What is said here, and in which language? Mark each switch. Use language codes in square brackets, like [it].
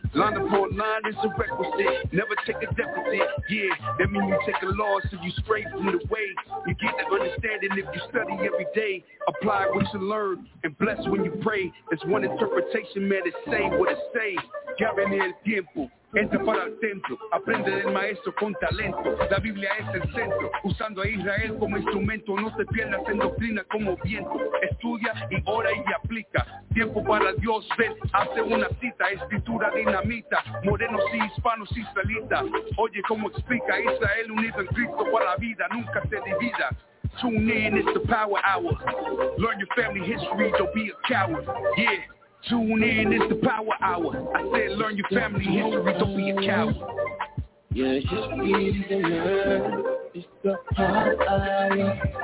[en] Line upon line is a requisite. Never take a deficit, yeah. That means you take a loss if you stray from the way. You get the understanding if you study every day. Apply what you learn and bless when you pray. That's one interpretation, man, it say what it say. [es] Gavin el tiempo. Entra para el templo, aprende del maestro con talento. La Biblia es el centro, usando a Israel como instrumento. No te pierdas en doctrina como viento. Estudia y ora y aplica. Tiempo para Dios, ven, hace una cita. Escritura dinamita, morenos y hispanos y israelitas. Oye cómo explica Israel unido en Cristo para la vida. Nunca se divida. [en] Tune in, it's the power hour. Learn your family history, don't be a coward. Yeah. Tune in, it's the power hour. I said learn your family history, don't be a coward. Yeah, just be the word. It's the power hour.